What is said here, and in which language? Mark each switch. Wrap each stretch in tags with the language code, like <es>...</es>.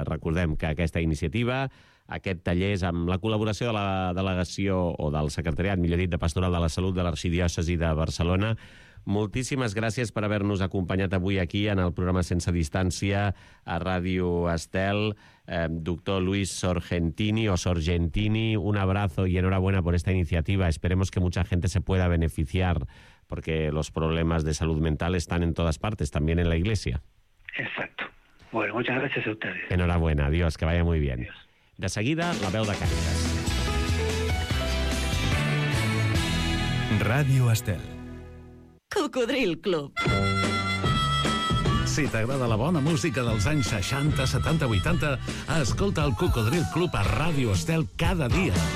<ca>Recordem que aquesta iniciativa, aquest taller, és amb la col·laboració de la delegació o del secretariat, millor dit, de Pastoral de la Salut de l'Arxidiòcesi de Barcelona. Moltíssimes gràcies per haver-nos acompanyat avui aquí en el programa Sense Distància a Ràdio Estel.</ca> <es>Doctor Luis Sorgentini o Sorgentini, un abrazo y enhorabuena por esta iniciativa. Esperemos que mucha gente se pueda beneficiar, porque los problemas de salud mental están en todas partes, también en la Iglesia. Exacto. Bueno, muchas gracias a ustedes. Enhorabuena, adiós, que vaya muy bien. Adiós.</es> <ca>De seguida, la veu de Càritas. Ràdio Estel. Cocodril Club. Si t'agrada la bona música dels anys 60, 70, 80, escolta el Cocodril Club a Ràdio Estel cada dia.</ca>